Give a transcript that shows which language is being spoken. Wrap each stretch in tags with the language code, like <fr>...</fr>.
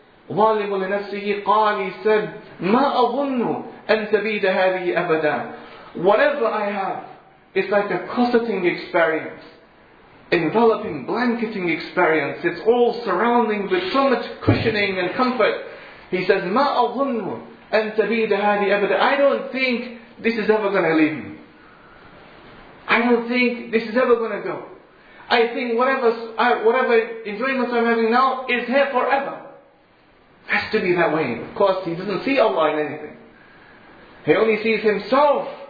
<ar>ظَالِمُ لِنَفْسِهِ قَالِ.</ar> <en>He said,</en> <ar>مَا أَظُنُّ أَن تَبِيدَ هَذِهِ أَبَدًا.</ar> <en>Whatever I have is like a cosseting experience. enveloping, blanketing experience. It's all surrounding with so much cushioning and comfort. He says,</en> <ar>"Ma أَظُنُّ أَن تَبِيدَ هَذِي أَبَدًا."</ar> <en>I don't think this is ever going to leave me. I don't think this is ever going to go. I think whatever enjoyments I'm having now is here forever. It has to be that way. Of course, he doesn't see Allah in anything. He only sees himself.</en>